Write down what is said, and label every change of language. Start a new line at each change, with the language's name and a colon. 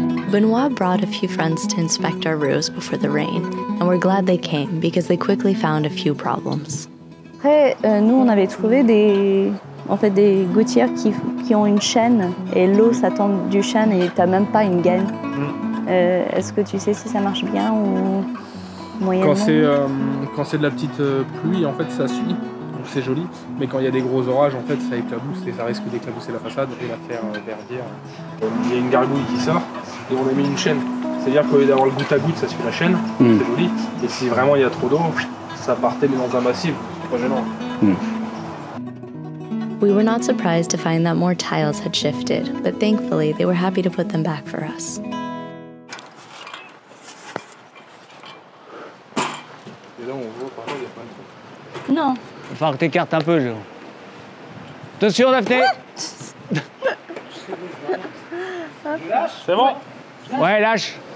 English: Benoit brought a few friends to inspect our roofs before the rain, and we're glad they came because they quickly found a few problems.
French: Après, nous on avait trouvé des gouttières qui ont une chaîne et l'eau s'attend du chêne et t'as même pas une gaine. Est-ce que tu sais si ça marche bien ou moyennement? Quand c'est de la petite pluie, en fait, ça suit. Donc c'est joli, mais quand il y a des gros orages, en fait, ça éclabousse et ça risque d'éclabousser la façade et la faire verdir. Il y a une gargouille qui sort et on a mis une chaîne. C'est-à-dire qu'au lieu d'avoir le goutte à goutte, ça suit la chaîne, c'est joli. Et si vraiment il y a trop d'eau, ça partait mais dans un massif, c'est pas gênant.
English: We were not surprised to find that more tiles had shifted, but thankfully they were happy to put them back for us.
French: Et là on voit par là, il y a pas de... Non. Il va falloir que t'écartes un peu, je... Attention, Daphné. Lâche, c'est bon. Ouais, lâche.